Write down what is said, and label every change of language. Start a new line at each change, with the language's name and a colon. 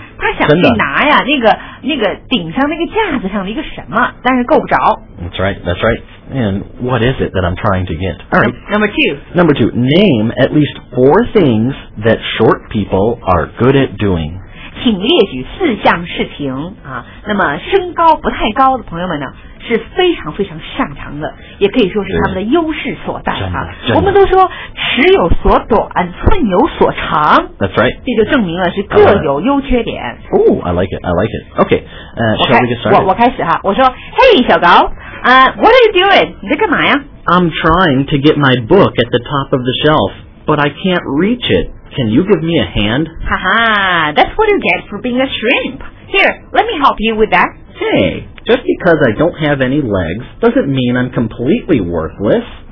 Chinese: 他想去拿呀，那个顶上那个架子上的一个什么，但是够不着。
English: That's right. And what is it that I'm trying to get? All right. Number two. Name at least four things that short people are good at doing.
Chinese: 请列举四项事情啊。那么身高不太高的朋友们呢，是非常非常擅长的，也可以说是他们的优势所在啊。我们都说尺有所短，寸有所长。 That's right. 这就证明了是各有优缺点。
English: Oh, I like it. I like it. Okay. Shall we get started?
Chinese: 我开始哈，我说 ，Hey, 小高。
English: What are you doing?
Chinese: 你在干嘛呀？
English: I'm trying to get my book at the top of the shelf, but I can't reach it. Can you give me a hand? Haha, that's what you get for being a shrimp. Here, let me help you with that. Hey, just because I don't have any legs doesn't mean I'm completely worthless.